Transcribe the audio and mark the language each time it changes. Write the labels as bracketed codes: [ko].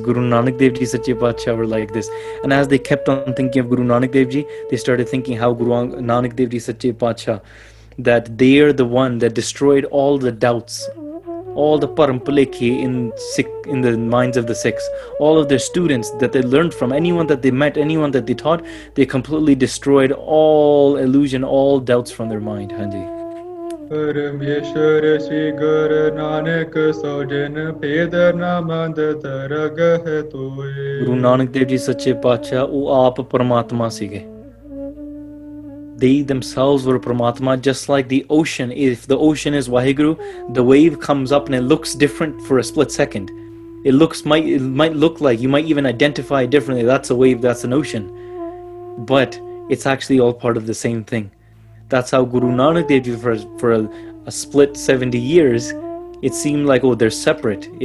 [en] Guru Nanak Dev Ji Sache Pacha were like this. And as they kept on thinking of Guru Nanak Dev Ji, they started thinking how Guru Nanak Dev Ji Sache Pacha, that they are the one that destroyed all the doubts, all the parampalekhi in the minds of the Sikhs, all of their students that they learned from, anyone that they met, anyone that they taught, they completely destroyed all illusion, all doubts from their mind. Hanji. [pa] ਪਰਮੇਸ਼ਰ ਸ਼੍ਰੀ ਗੁਰੂ ਨਾਨਕ ਸੋ ਜਿਨ ਭੇਦ ਨਾ ਮੰਦ ਤਰਗ ਹੈ ਤੋਏ। ਗੁਰੂ ਨਾਨਕ ਦੇਵ ਜੀ ਸੱਚੇ ਪਾਤਸ਼ਾਹ, ਉਹ ਆਪ ਪਰਮਾਤਮਾ ਸੀਗੇ। [en] They themselves were Paramatma, just like the ocean. If the ocean is Waheguru, the wave comes up and it looks different for a split second. It might look like, you might even identify differently, that's a wave, that's an ocean. But it's actually all part of the same thing. That's how Guru Nanak Dev Ji, for a split 70 years, it seemed like, oh, they're separate.